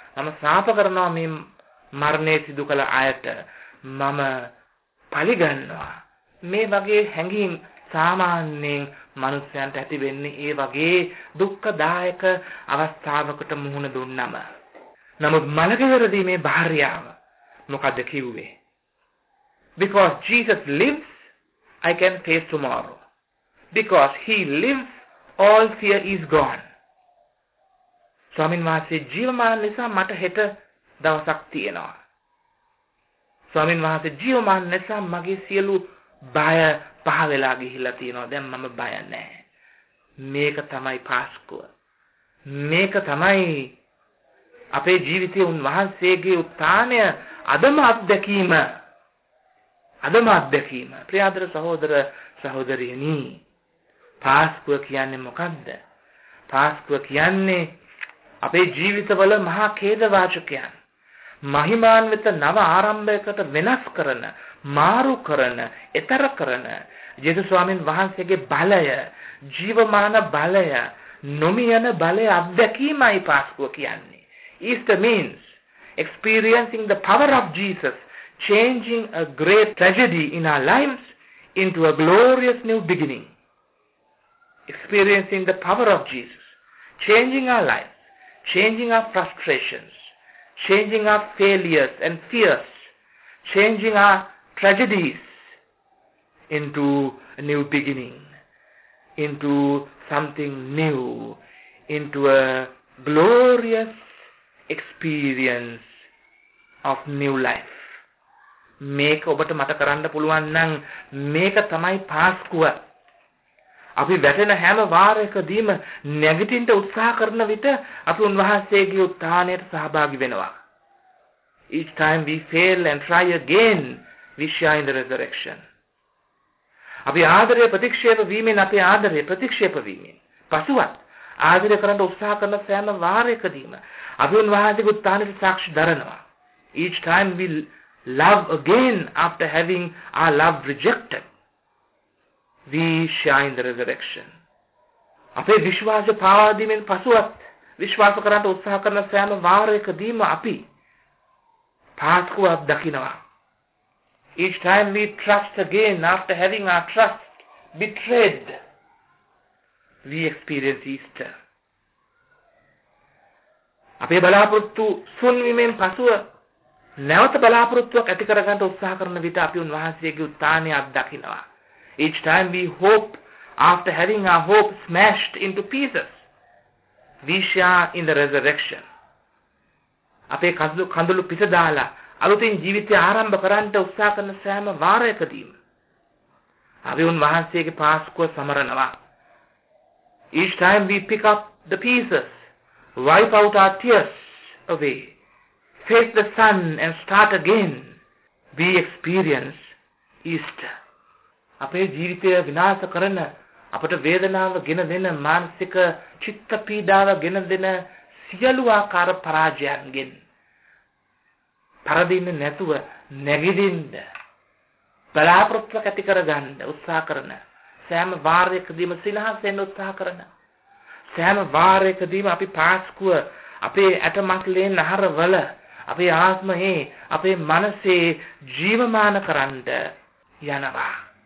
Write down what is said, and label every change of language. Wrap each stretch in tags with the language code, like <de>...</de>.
<si>මම ශාප කරනවා මේ මරණය සිදු කළ අයට. මම පිළිගන්නවා. මේ වගේ හැඟීම් සාමාන්‍යයෙන් මනුස්සයන්ට ඇති වෙන්නේ ඒ වගේ දුක්ඛදායක අවස්ථාවකට මුහුණ දුන්නම. නමුත් මලකෙරදී මේ භාර්යාව මොකද කිව්වේ?</si> <en>Because Jesus lives, I can face tomorrow. Because he lives, all fear is gone.</en> <si>ස්වාමීන් වහන්සේ ජීවමාන නිසා මට හෙට දවසක් තියෙනවා. ස්වාමීන් වහන්සේ ජීවමාන නිසා මගේ සියලු බය පහ වෙලා ගිහිල්ලා තියෙනවා. දැන් මම බය නැහැ. මේක තමයි පාස්කුව. මේක තමයි අපේ ජීවිතයේ උන්වහන්සේගේ උත්ථානය. අදම අත්දැකීම. අදම අත්දැකීම. ප්‍රියාදර සහෝදර සහෝදරියනි, පාස්කුව කියන්නේ මොකද්ද? පාස්කුව කියන්නේ අපේ ජීවිතවල මහා ඛේදවාචකයන්, මහිමාන්විත නව ආරම්භයකට වෙනස් කරන, මාරු කරන, එතර කරන ජේසුස් ස්වාමීන් වහන්සේගේ බලය, ජීවමාන බලය, නොමියන බලය අත්දැකීමයි පාස්කුව කියන්නේ.</si> <en>Easter means experiencing the power of Jesus changing a great tragedy in our lives into a glorious new beginning. Experiencing the power of Jesus changing our lives, changing our frustrations, changing our failures and fears, changing our tragedies into a new beginning, into something new, into a glorious experience of new life.</en> <si>මේක ඔබට මට කරන්න පුළුවන් නම් මේක තමයි පාස්කුව. අපි වැටෙන හැම වාරයකදීම නැගිටින්න උත්සාහ කරන විට අපි උන්වහන්සේගේ උත්ථානයට සහභාගී වෙනවා.</si> <en>Each time we fail and try again, we share in the resurrection.</en> <si>අපි ආදරය ප්‍රතික්ෂේප වීමෙන් අපේ ආදරය ප්‍රතික්ෂේප වීමෙන් පසුවත් ආදරය කරන්න උත්සාහ කරන සෑම වාරයකදීම අපි උන්වහන්සේගේ උත්ථානයට සාක්ෂි දරනවා.</si> <en>Each time we love again after having our love rejected, we share in the resurrection.</en> <si>අපේ විශ්වාසය පාවා දීමෙන් පසුවත් විශ්වාස කරන්න උත්සාහ කරන සෑම වාරයකදීම අපි පාස්කුවක් දකිනවා.</si> <en>Each time we trust again after having our trust betrayed, we experience Easter.</en> <si>අපේ බලාපොරොත්තු සුන්වීමෙන් පසුව නැවත බලාපොරොත්තුවක් ඇති කරගන්න උත්සාහ කරන විට අපි උන්වහන්සේගේ උත්ථානය අත්දකිනවා.</si> <en>Each time we hope after having our hope smashed into pieces, we share in the resurrection.</en> <si>අපේ කඳුළු පිස දාලා අලුතින් ජීවිතය ආරම්භ කරන්න උත්සාහ කරන සෑම වාරයකදීම අපි උන්වහන්සේගේ පාස්කුව සමරනවා.</si> <en>Each time we pick up the pieces, wipe out our tears away, face the sun and start again, we experience Easter.</en> <si>අපේ ජීවිතය විනාශ කරන, අපට වේදනාව ගෙන දෙන, මානසික චිත්ත පීඩාව ගෙන දෙන සියලු ආකාර පරාජයන්ගෙන් පරදින්නේ නැතුව නැගිටින්න බලාපොරොත්තු ඇති කරගන්න උත්සාහ කරන සෑම වාරයකදීම සිනහසෙන් උත්සාහ කරන සෑම වාරයකදීම අපි පාස්කුව අපේ ඇටමත්ලේ නහරවල අපේ ආත්මයේ අපේ මනසේ ජීවමාන කරන්න යනවා.</si>